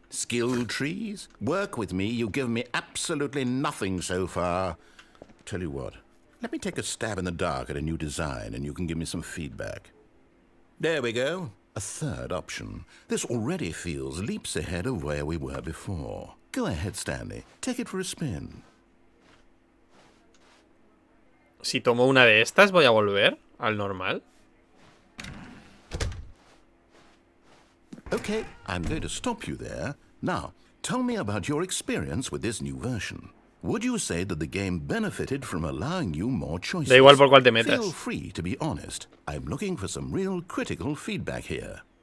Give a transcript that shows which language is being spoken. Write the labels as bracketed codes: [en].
[en] Skill trees? Work with me. You've given me absolutely nothing so far. Tell you what. Let me take a stab in the dark at a new design, and you can give me some feedback. There we go. A third option. This already feels leaps ahead of where we were before. Go ahead, Stanley. Take it for a spin. [es] Si tomo una de estas, voy a volver al normal. [en] Okay, I'm going to stop you there. Now, tell me about your experience with this new version. Would you say that the game benefited from allowing you more choices? [es] Da igual por cuál te metas. [en] Feel free to be honest. I'm looking for some real critical feedback here.